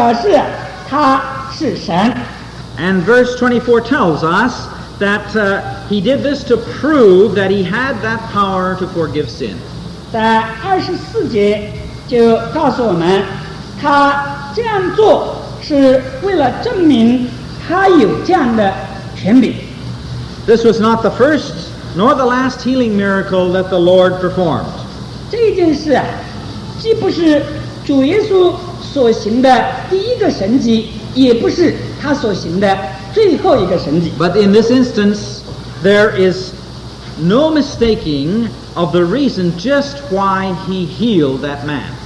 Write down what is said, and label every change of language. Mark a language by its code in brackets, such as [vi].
[zh] 然后他就用他那种永恒的权柄，永恒的能力来医治这个病人，来表示，来表示在众人的面前表示他是神。 [en] And verse 24 tells us that he did this to prove that he had that power to forgive sin. [zh] 在24节就告诉我们，他这样做是为了证明他有这样的权柄。 [en] This was not the first nor the last healing miracle that the Lord performed. [zh] 这件事既不是主耶稣所行的第一个神迹，也不是他所行的最后一个神迹。 [en] But in this instance, there is no mistaking of the reason just why he healed that man.